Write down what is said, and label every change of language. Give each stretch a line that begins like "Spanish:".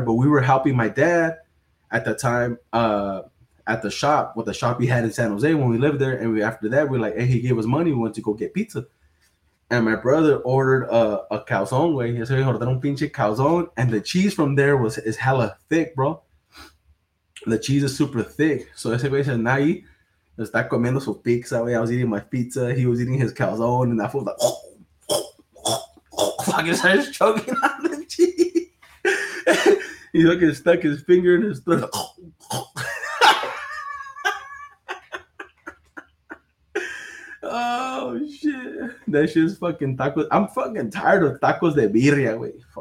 English: But we were helping my dad at the time at the shop, with the shop he had in San Jose when we lived there. And after that, we're like, hey, he gave us money. We went to go get pizza. And my brother ordered a calzone, güey. He said,
Spanish: ordenó un pinche calzone.
English: And the cheese from there is hella thick, bro. The cheese is super thick.
Spanish: So ese güey
English: said, nah,
Spanish: está comiendo su pizza, güey.
English: I was eating my pizza. He was eating his calzone. And I was like, fucking started choking on the cheese. He fucking stuck his finger in his throat. Oh, shit. That shit's fucking tacos. I'm fucking tired of tacos de birria, güey.